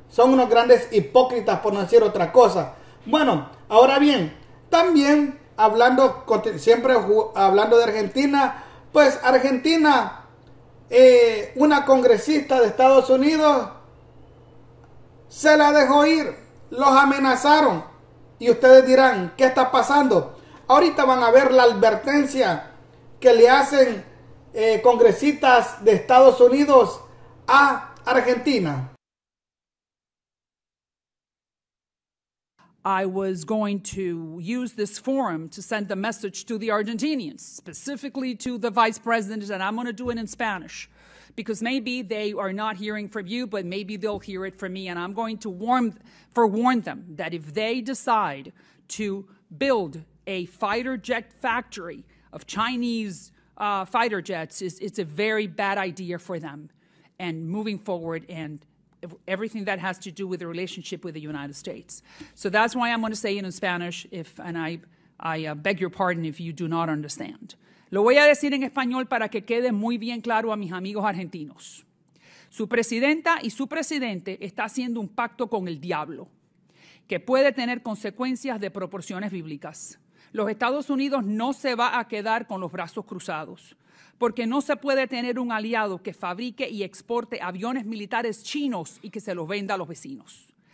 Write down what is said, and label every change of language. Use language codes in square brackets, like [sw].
[es] Son unos grandes hipócritas, por no decir otra cosa. Bueno, ahora bien, también hablando, siempre hablando de Argentina, pues Argentina, una congresista de Estados Unidos se la dejó ir, los amenazaron. Y ustedes dirán, ¿qué está pasando? Ahorita van a ver la advertencia que le hacen congresistas de Estados Unidos a Argentina. [en] I was going to use this forum to send a message to the Argentinians, specifically to the vice president, and I'm going to do it in Spanish, because maybe they are not hearing from you, but maybe they'll hear it from me, and I'm going to forewarn them that if they decide to build a fighter jet factory of Chinese fighter jets, it's a very bad idea for them, and moving forward and everything that has to do with the relationship with the United States. So that's why I'm going to say it in Spanish, and I beg your pardon if you do not understand. [es] Lo voy a decir en español para que quede muy bien claro a mis amigos argentinos. Su presidenta y su presidente está haciendo un pacto con el diablo que puede tener consecuencias de proporciones bíblicas. Los Estados Unidos no se va a quedar con los brazos cruzados, porque no se puede tener un aliado que fabrique y exporte aviones militares chinos y que se los venda a los vecinos.